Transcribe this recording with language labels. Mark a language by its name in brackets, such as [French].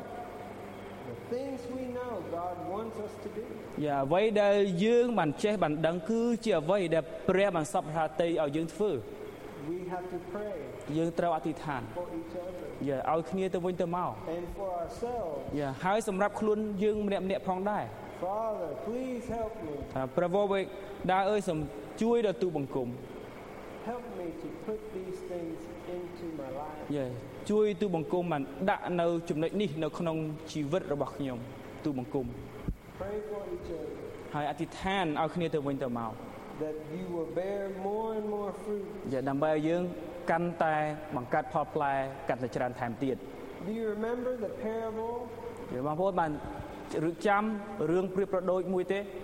[English] The things we know God wants us to do. [Khmer] យ៉ាអ្វីដែលយើងបានចេះបានដឹងគឺជាអ្វីដែលព្រះបានសព្ទាតីឲ្យយើងធ្វើ [English] We have to pray. [Khmer] យើងត្រូវអធិដ្ឋានយ៉ាឲ្យគ្នាទៅវិញទៅមក [English] And for ourselves. [Khmer] យ៉ាហើយសម្រាប់ខ្លួនយើងម្នាក់ៗផងដែរ [English] Father, please help me. [Khmer] ថាព្រះវរបិតាអើយសូមជួយដល់ទូបង្គំ [English] Help me to put these things into my life. [Khmer] Yeah, ជួយទូបង្គំបានដាក់នៅចំណុចនេះនៅក្នុងជីវិតរបស់ខ្ញុំទូបង្គំ [English] Pray for each other. [Khmer] ហើយអធិដ្ឋានឲ្យគ្នាទៅវិញទៅមក [English] That you will bear more and more fruit. [Khmer] យ៉ាដើម្បីឲ្យយើងកាន់តែបង្កើតផលផ្លែកាន់តែច្រើនថែមទៀត [English] Do you remember the parable? [Khmer] យ៉ាបងប្អូនបានរឹកចាំរឿងព្រៀបប្រដូចមួយទេ